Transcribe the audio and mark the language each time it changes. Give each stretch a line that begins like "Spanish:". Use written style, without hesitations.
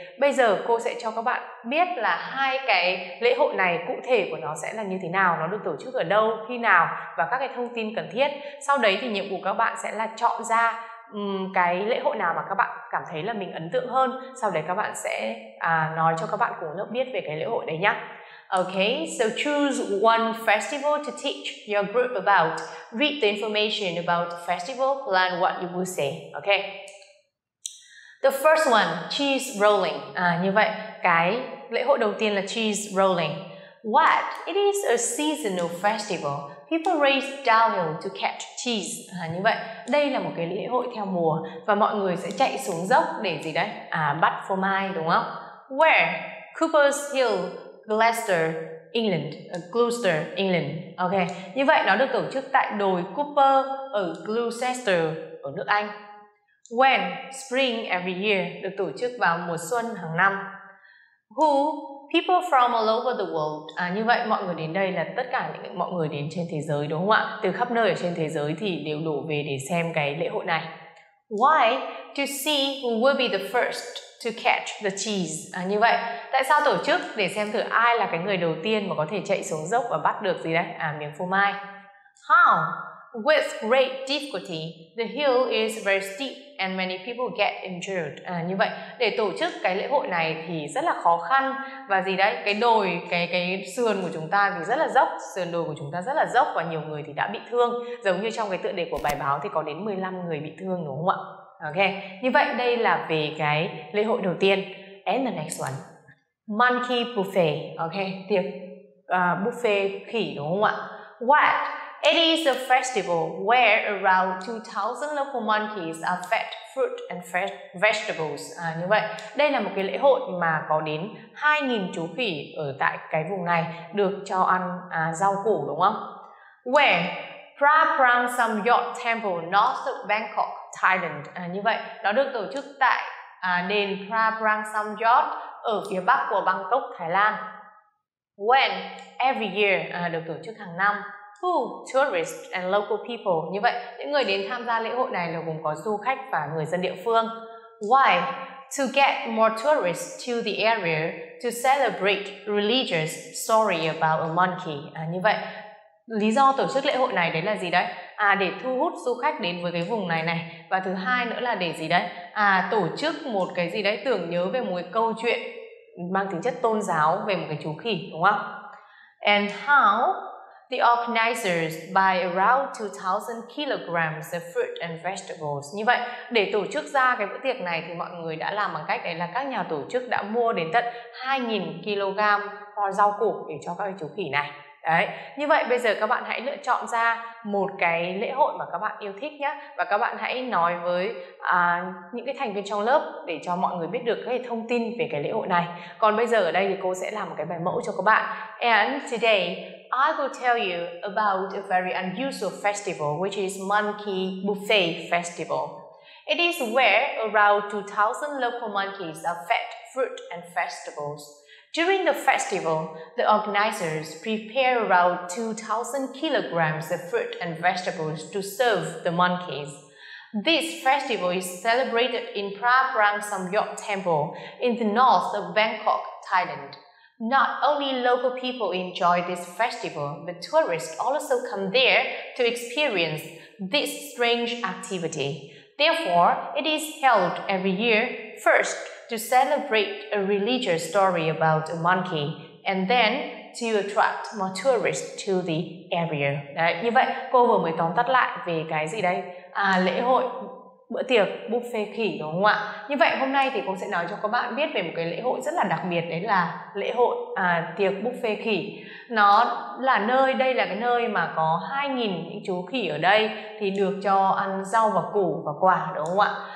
Vietnamese: Bây giờ cô sẽ cho các bạn biết là hai cái lễ hội này cụ thể của nó sẽ là như thế nào, nó được tổ chức ở đâu, khi nào và các cái thông tin cần thiết. Sau đấy thì nhiệm vụ các bạn sẽ là chọn ra cái lễ hội nào mà các bạn cảm thấy là mình ấn tượng hơn. Sau đấy các bạn sẽ nói cho các bạn của lớp biết về cái lễ hội đấy nhá.
English: Okay, so choose one festival to teach your group about. Read the information about the festival, plan what you will say. Okay. The first one, cheese rolling.
Vietnamese: Như vậy, cái Lễ hội đầu tiên là
English: cheese rolling. What? It is a seasonal festival. People race downhill to catch cheese.
Vietnamese: À, như vậy, đây là một cái lễ hội theo mùa và mọi người sẽ chạy xuống dốc để gì đấy? À, bắt phô mai, đúng không?
English: Where?
Vietnamese: Cooper's Hill, Gloucester, England.
English: Gloucester, England. Okay.
Vietnamese: Như vậy, nó được tổ chức tại đồi Cooper ở Gloucester, ở nước Anh.
English: When? Spring every year.
Vietnamese: Được tổ chức vào mùa xuân hàng năm.
English: Who? People from all over the world.
Vietnamese: À, như vậy, mọi người đến đây là tất cả những mọi người đến trên thế giới, đúng không ạ? Từ khắp nơi ở trên thế giới thì đều đổ về để xem cái lễ hội này.
English: Why? To see who will be the first to catch the cheese.
Vietnamese: À, như vậy, tại sao tổ chức? Để xem thử ai là cái người đầu tiên mà có thể chạy xuống dốc và bắt được gì đấy? À, miếng phô mai.
English: How? With great difficulty, the hill is very steep and many people get injured.
Vietnamese: À, như vậy, để tổ chức cái lễ hội này thì rất là khó khăn. Và gì đấy, cái đồi, cái sườn của chúng ta thì rất là dốc. Sườn đồi của chúng ta rất là dốc và nhiều người thì đã bị thương. Giống như trong cái tựa đề của bài báo thì có đến 15 người bị thương, đúng không ạ? Ok, như vậy đây là về cái lễ hội đầu tiên.
English: And the next one.
Vietnamese: Monkey buffet. Ok, tiệc buffet khỉ, đúng không ạ?
English: What? It is a festival where around 2,000 local monkeys are fed fruit and fresh vegetables.
Vietnamese: À, như vậy, đây là một cái lễ hội mà có đến 2,000 chú khỉ ở tại cái vùng này được cho ăn rau củ, đúng không?
English: Where? Prapransamyot Temple, north of Bangkok, Thailand.
Vietnamese: À, như vậy, nó được tổ chức tại đền Prapransamyot ở phía bắc của Bangkok, Thái Lan.
English: When? Every year,
Vietnamese: được tổ chức hàng năm.
English: Who? Tourists and local people.
Vietnamese: Như vậy, những người đến tham gia lễ hội này là gồm có du khách và người dân địa phương.
English: Why? To get more tourists to the area to celebrate religious story about a monkey.
Vietnamese: À, như vậy, lý do tổ chức lễ hội này đấy là gì đấy? À, để thu hút du khách đến với cái vùng này này. Và thứ hai nữa là để gì đấy? À, tổ chức một cái gì đấy tưởng nhớ về một cái câu chuyện mang tính chất tôn giáo về một cái chú khỉ, đúng không?
English: And how? The organizers buy around 2,000 kilograms of fruit and vegetables.
Vietnamese: Như vậy, để tổ chức ra cái bữa tiệc này thì mọi người đã làm bằng cách đấy là các nhà tổ chức đã mua đến tận 2,000 kg rau củ để cho các chú khỉ này. Đấy. Như vậy, bây giờ các bạn hãy lựa chọn ra một cái lễ hội mà các bạn yêu thích nhé. Và các bạn hãy nói với những cái thành viên trong lớp để cho mọi người biết được cái thông tin về cái lễ hội này. Còn bây giờ ở đây thì cô sẽ làm một cái bài mẫu cho các bạn.
English: And today, I will tell you about a very unusual festival, which is Monkey Buffet Festival. It is where around 2,000 local monkeys are fed fruit and vegetables. During the festival, the organizers prepare around 2,000 kilograms of fruit and vegetables to serve the monkeys. This festival is celebrated in Prapransamyot Temple in the north of Bangkok, Thailand. Not only local people enjoy this festival, but tourists also come there to experience this strange activity. Therefore, it is held every year, first to celebrate a religious story about a monkey, and then to attract more tourists to the area.
Vietnamese: Đấy, như vậy, cô vừa mới tóm tắt lại về cái gì đây? À, lễ hội bữa tiệc buffet khỉ, đúng không ạ? Như vậy hôm nay thì cô sẽ nói cho các bạn biết về một cái lễ hội rất là đặc biệt, đấy là lễ hội tiệc buffet khỉ. Nó là nơi, đây là cái nơi mà có 2,000 những chú khỉ ở đây thì được cho ăn rau và củ và quả, đúng không ạ?